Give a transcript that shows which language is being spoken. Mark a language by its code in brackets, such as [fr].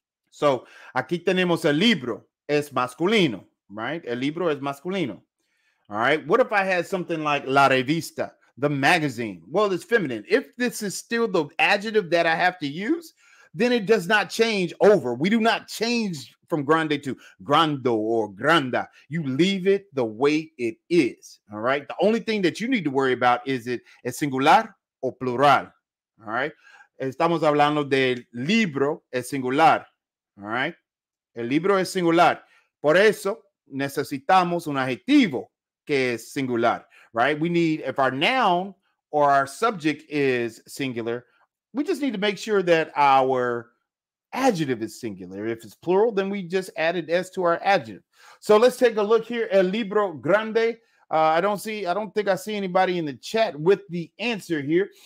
[es] So, aquí tenemos el libro, es masculino, right? El libro es masculino, all right? [en] What if I had something like [es] la revista, [en] the magazine? Well, it's feminine. If this is still the adjective that I have to use, then it does not change over. We do not change from grande to grando or granda. You leave it the way it is, all right? The only thing that you need to worry about is it [es] es singular o plural, [en] all right? [es] Estamos hablando de libro es singular. [en] All right. [es] El libro es singular. Por eso necesitamos un adjetivo que es singular. [en] Right. We need, if our noun or our subject is singular, we just need to make sure that our adjective is singular. If it's plural, then we just added S to our adjective. So let's take a look here. [es] El libro grande. [en] I don't think I see anybody in the chat with the answer here.